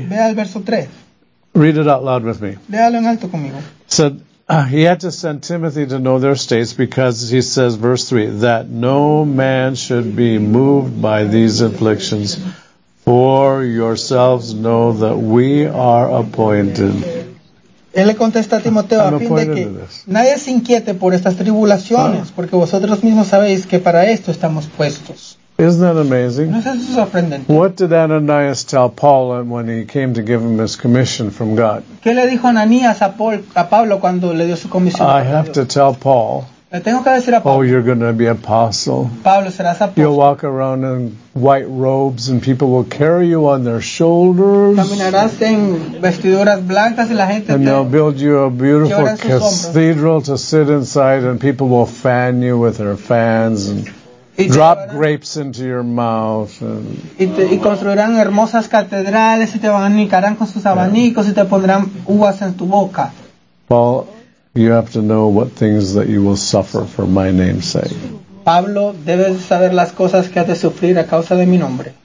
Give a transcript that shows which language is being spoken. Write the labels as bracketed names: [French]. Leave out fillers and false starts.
[Spanish] Ve al verso [English] 3. Read it out loud with me. [Spanish] Léalo en alto conmigo. [English] Said, he had to send Timothy to know their states because he says, verse 3, that no man should be moved by these afflictions. For yourselves know that we are appointed. [Spanish] Él le contesta a Timoteo a fin de que nadie se inquiete por estas tribulaciones, huh? Porque vosotros mismos sabéis que para esto estamos puestos. [English] Isn't that amazing? [Spanish] ¿No es sorprendente? [English] What did Ananias tell Paul when he came to give him his commission from God? [Spanish] ¿Qué le dijo Ananías a Paul, a Pablo cuando le dio su comisión? [English] I have to tell Paul. [Spanish] Le tengo que decir a Pablo. [English] Oh, you're going to be apostle. [Spanish] Pablo, serás apóstol. [English] You'll walk around in white robes and people will carry you on their shoulders. [Spanish] Caminarás en vestiduras blancas y la gente [English] and they'll build you a beautiful cathedral to sit inside and people will fan you with their fans and drop grapes into your mouth. And, [Spanish] y construirán hermosas catedrales y te abanicarán con sus abanicos y te pondrán uvas en tu boca. [English] Paul, you have to know what things that you will suffer for my name's sake. [Spanish] Pablo, debes saber las cosas que has de sufrir a causa de mi nombre.